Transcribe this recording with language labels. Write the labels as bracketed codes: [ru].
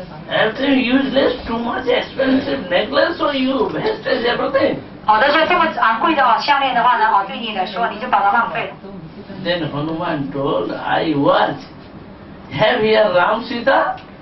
[en] Everything useless, too much expensive necklace, so you wasted everything. [zh] 好的，所以这么昂贵的项链的话呢，对你来说，你就把它浪费了。 [en] Then Hanuman told, I was have here Ram Sita.